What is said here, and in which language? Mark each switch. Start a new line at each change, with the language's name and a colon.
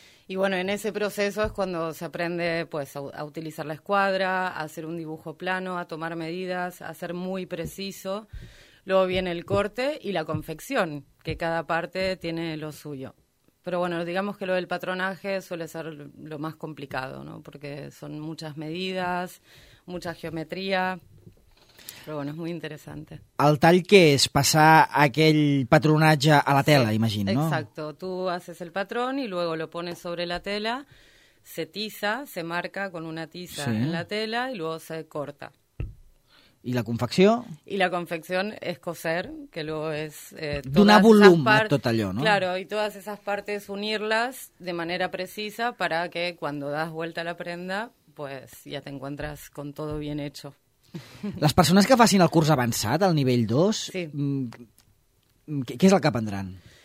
Spanish: Y bueno, en ese proceso es cuando se aprende pues a utilizar la escuadra, a hacer un dibujo plano, a tomar medidas, a ser muy preciso. Luego viene el corte y la confección, que cada parte tiene lo suyo. Pero bueno, digamos que lo del patronaje suele ser lo más complicado, ¿no? Porque son muchas medidas, mucha geometría, pero bueno, es muy interesante.
Catalan: El tall que és passar aquell patronatge a la tela, sí,
Spanish: imagino, ¿no? Exacto, tú haces el patrón y luego lo pones sobre la tela, se tiza, se marca con una tiza sí. En la tela y luego se corta.
Catalan: I la confecció? I la confecció és
Spanish: coser, que luego es...
Catalan: Donar volum a tot allò, no?
Spanish: Claro, y todas esas partes unirlas de manera precisa para que cuando das vuelta a la prenda, pues ya te encuentras con todo bien hecho.
Catalan: Les persones que facin el curs avançat, al nivell 2, sí. Què és el que aprendran?